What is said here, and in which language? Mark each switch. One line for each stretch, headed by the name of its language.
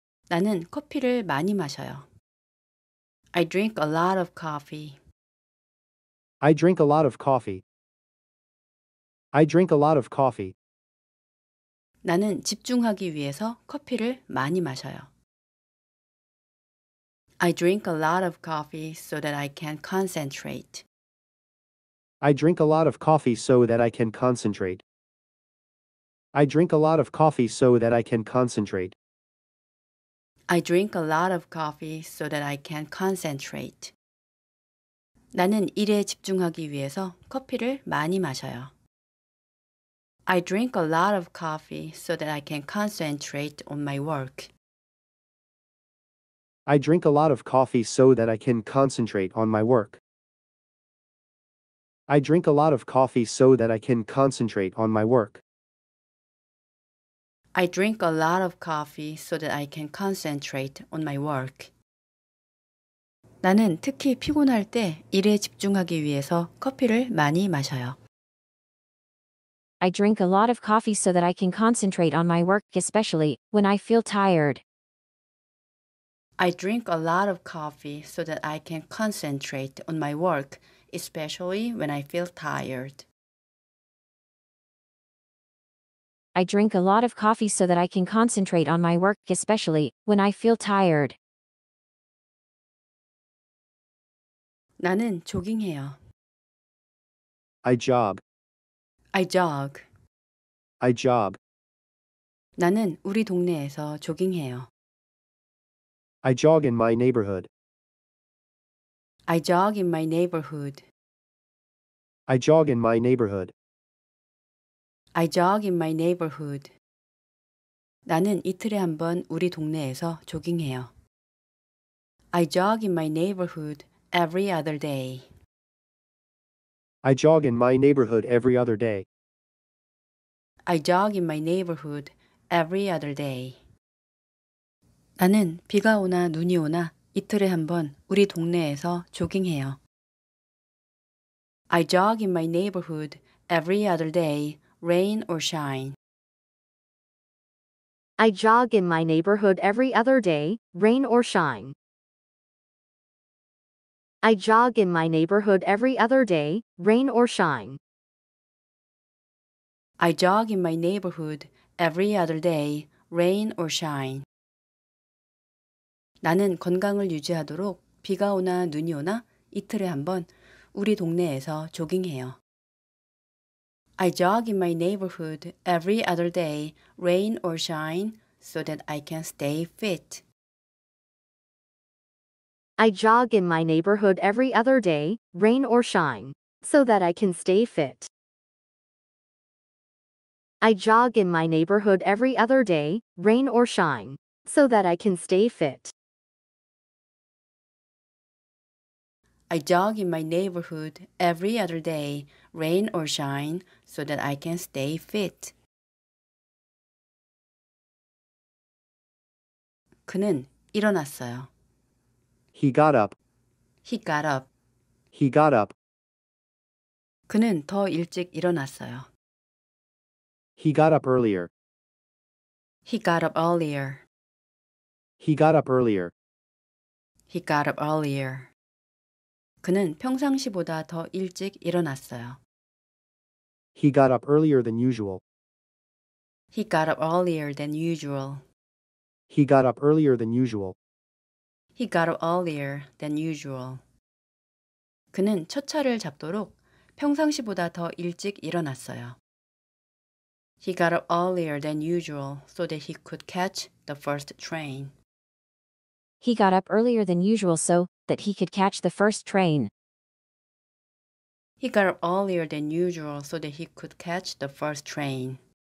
Korean: 나는 커피를 많이 마셔요.
English: I drink a lot of coffee. I drink a lot of coffee. I drink a lot of coffee.
Korean: 나는 집중하기 위해서 커피를 많이 마셔요.
English: I drink a lot of coffee so that I can concentrate. I drink a lot of coffee so that I can concentrate. I drink a lot of coffee so that I can concentrate. I drink a lot of coffee so that I can concentrate.
Korean: 나는 일에 집중하기 위해서 커피를 많이 마셔요.
English: I drink a lot of coffee so that I can concentrate on my work. I drink a lot of coffee so that I can concentrate on my work. I drink a lot of coffee so that I can concentrate on my work. I drink a lot of coffee so that I can concentrate on my work.
Korean: 나는 특히 피곤할 때 일에 집중하기 위해서 커피를 많이 마셔요.
English: I drink a lot of coffee so that I can concentrate on my work, especially when I feel tired. I drink a lot of coffee so that I can concentrate on my work, especially when I feel tired. I drink a lot of coffee so that I can concentrate on my work, especially when I feel tired.
Korean: 나는 조깅해요.
English: I jog. I jog. I jog.
Korean: 나는 우리 동네에서 조깅해요.
English: I jog in my neighborhood. I jog in my neighborhood. I jog in my neighborhood. I jog in my neighborhood.
Korean: 나는 이틀에 한 번 우리 동네에서 조깅해요.
English: I jog in my neighborhood every other day. I jog in my neighborhood every other day. I jog in my neighborhood every other day.
Korean: 나는 비가 오나 눈이 오나 이틀에 한 번 우리 동네에서 조깅해요.
English: I jog in my neighborhood every other day, rain or shine. I jog in my neighborhood every other day, rain or shine. I jog in my neighborhood every other day, rain or shine. I jog in my neighborhood every other day, rain or shine.
Korean: 나는 건강을 유지하도록 비가 오나 눈이 오나 이틀에 한 번 우리 동네에서 조깅해요.
English: I jog in my neighborhood every other day, rain or shine, so that I can stay fit. I jog in my neighborhood every other day, rain or shine, so that I can stay fit. I jog in my neighborhood every other day, rain or shine, so that I can stay fit. I jog in my neighborhood every other day, rain or shine, so that I can stay fit.
Korean: 그는 일어났어요.
English: He got up. He got up. He got up.
Korean: 그는 더 일찍 일어났어요.
English: He got up earlier. He got up earlier. He got up earlier. He got up earlier.
Korean: 그는 평상시보다 더 일찍 일어났어요.
English: He got up earlier than usual. He got up earlier than usual. He got up earlier than usual. He got up earlier than usual.
Korean: 그는 첫 차를 잡도록 평상시보다 더 일찍 일어났어요.
English: He got up earlier than usual so that he could catch the first train. He got up earlier than usual so that he could catch the first train. He got up earlier than usual so that he could catch the first train.